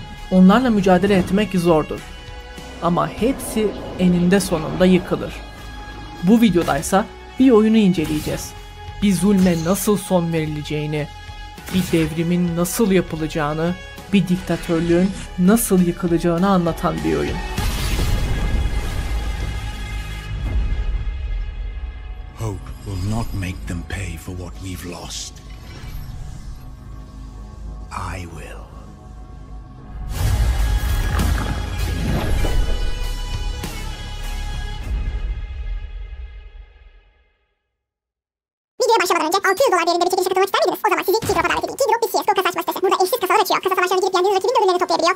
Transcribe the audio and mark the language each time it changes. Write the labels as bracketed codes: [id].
[tr] Onlarla mücadele etmek zordur. Ama hepsi eninde sonunda yıkılır. Bu videodaysa bir oyunu inceleyeceğiz. Bir zulme nasıl son verileceğini, bir devrimin nasıl yapılacağını, bir diktatörlüğün nasıl yıkılacağını anlatan bir oyun. [en] Will not make them pay for what we've lost. I will. [tr] Videoya başlamadan önce 600 dolar değerinde bir çekiliş katılmak ister miydiniz? O zaman sizi Tigro davet edeyim. Tigro bir CSGO kasa açma sitesi. Burada eşsiz kasalar açıyor. Kasa savaşları girip yendiğiniz rakibin de ürünlerini toplayabiliyor.